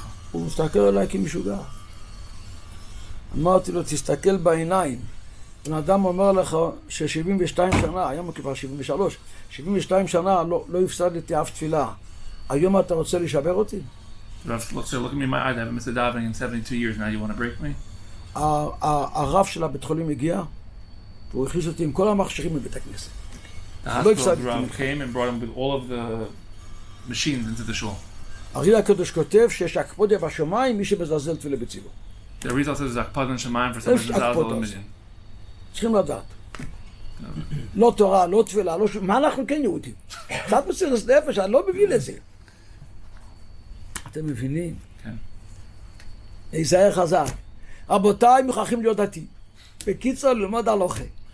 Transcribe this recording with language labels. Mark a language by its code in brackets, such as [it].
[he] הוא מסתכל עליי כמשוגע. אמרתי לו, תסתכל בעיניים. בן אדם אומר לך ש-72 שנה, היום הוא כבר 73, 72 שנה לא הפסד לי אף תפילה. היום אתה רוצה לשבר אותי? [en] רב, look at me in my eye, I haven't missed a davening in 72 years, now you want to break me? [he] הרב של הבית חולים הגיע, והוא הכניס אותי עם כל המכשירים מבית הכנסת. [en] The hospital rav came and brought him with all of the machines into the shul. [he] הרי"ל הקדוש כותב שיש הקפדה בשמיים מי שמזלזל תפילה בציבור. [en] The Arizal says there's [he] הקפדה בשמיים [en] for someone who's out of the million. [he] צריכים לדעת. לא תורה, לא תפילה, לא שום... מה אנחנו כן יהודים? קצת מסירות נפש, אני לא מבין את זה. אתם מבינים? כן. איזה ערך חזק. רבותיי מוכרחים להיות דתי. בקיצור ללמוד הלוכה.